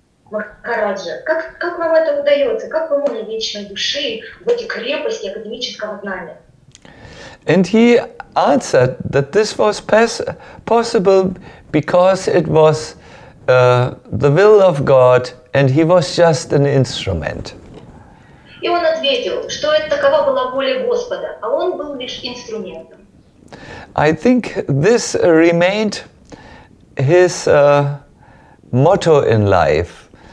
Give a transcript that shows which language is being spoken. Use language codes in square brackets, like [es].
[ru] Махараджа, как вам это удается? Как вы можете вечной души в эти крепости академического знания? [en] And he answered that this was possible because it was the will of God, and he was just an instrument. [ru] И он ответил, что это такова была воля Господа, а он был лишь инструментом. [en] I think this remained his motto in life.